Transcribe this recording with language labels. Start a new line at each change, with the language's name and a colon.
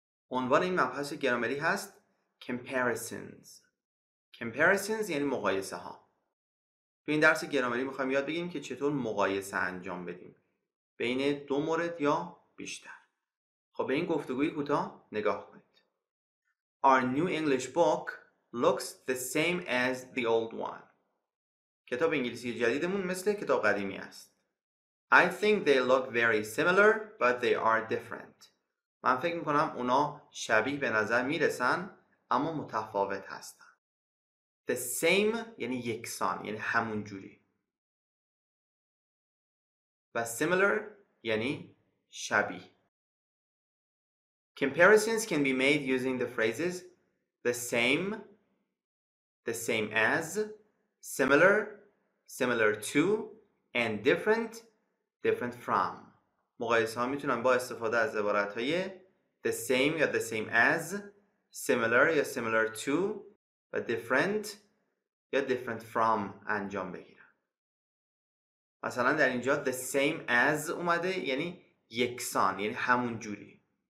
Persian: عنوان این مبحث گرامری هست Comparisons. Comparisons یعنی مقایسه ها. تو این درس گرامری میخوایم یاد بگیم که چطور مقایسه انجام بدیم بین دو مورد یا بیشتر. خب به این گفتگوی کوتاه نگاه کنید.
English: Our new English book looks the same as the old one.
Persian: کتاب انگلیسی جدیدمون مثل کتاب قدیمی است.
English: I think they look very similar, but they are different.
Persian: من فکر میکنم اونا شبیه به نظر میرسن، اما متفاوت هستن. The same یعنی یکسان، یعنی همون جوری. و similar یعنی شبیه.
English: Comparisons can be made using the phrases the same as, similar, similar to, and different. Different from.
Persian: مقایسه ها میتونن با استفاده از عبارت های the same یا the same as, similar یا similar to, و different یا different from انجام بگیرن. مثلا در اینجا the same as اومده یعنی یکسان، یعنی همون جوری.